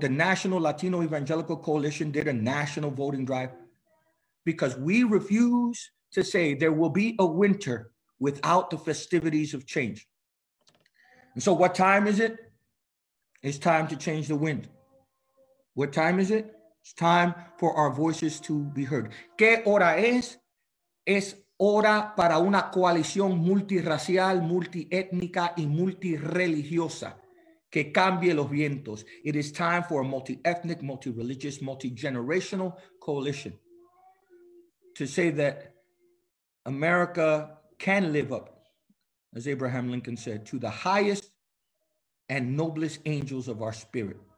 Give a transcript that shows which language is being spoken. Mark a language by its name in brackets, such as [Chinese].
[English] The National Latino Evangelical Coalition did a national voting drive because we refuse to say there will be a winter without the festivities of change. And so what time is it? It's time to change the wind. What time is it? It's time for our voices to be heard. [Spanish] ¿Qué hora es? Es hora para una coalición multiracial, multiétnica y multireligiosa que cambie los vientos. [English] It is time for a multi-ethnic, multi-religious, multi-generational coalition to say that America can live up, as Abraham Lincoln said, to the highest and noblest angels of our spirit.